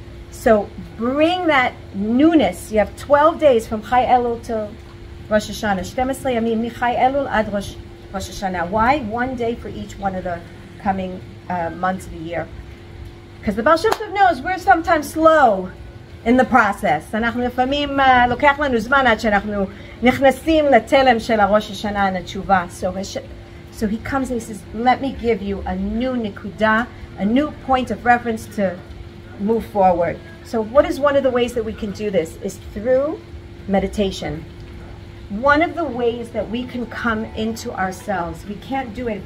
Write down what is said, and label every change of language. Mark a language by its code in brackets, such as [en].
[en] So bring that newness. You have 12 days from Chai Elul to Rosh Hashanah. [he] 12 yamim mi Chai Elul ad Rosh Hashanah. [en] Why? One day for each one of the coming months of the year. Because the Baal Shem Tov knows we're sometimes slow in the process. [he] אנחנו לפעמים לוקח לנו זמן עד שאנחנו נכנסים לתלם של הראש השנה לתשובה. [en] So he comes and he says, let me give you a new nikuda, a new point of reference to move forward. So what is one of the ways that we can do this? Is through meditation. one of the ways that we can come into ourselves, we can't do it.